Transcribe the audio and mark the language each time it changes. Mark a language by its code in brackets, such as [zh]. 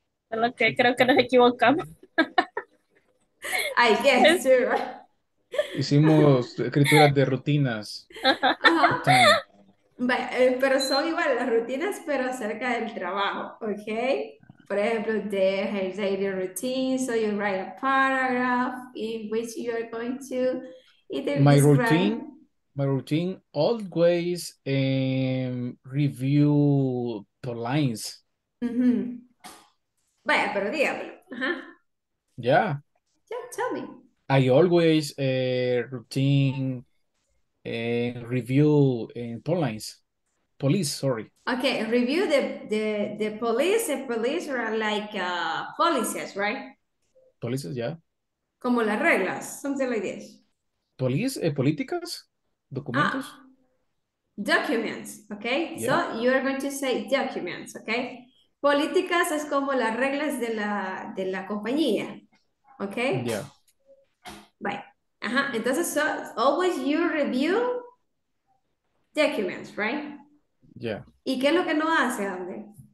[es] Okay, creo que nos equivocamos. [en] I guess, too. [es] Hicimos escrituras de rutinas. Ajá. Pero son igual las rutinas, pero acerca del trabajo, ¿ok? [en] For example, the daily routine, so you write a paragraph in which you are going to... My routine always review the lines. [es] Mm-hmm. Vaya, pero dígame. Uh-huh. [en] Yeah. Yeah, tell me. I always review police. Okay, review the police. The police are like policies, right? Policies, yeah. [es] Como las reglas, [en] something like this. [es] Políticas, documentos. [en] Documents, okay. Yeah. So you are going to say documents, okay. [es] Políticas es como las reglas de la compañía, okay. [en] Yeah. Bye. Ajá. Entonces, so always you review documents, right? Yeah. [es] ¿Y qué es lo que no hace, André?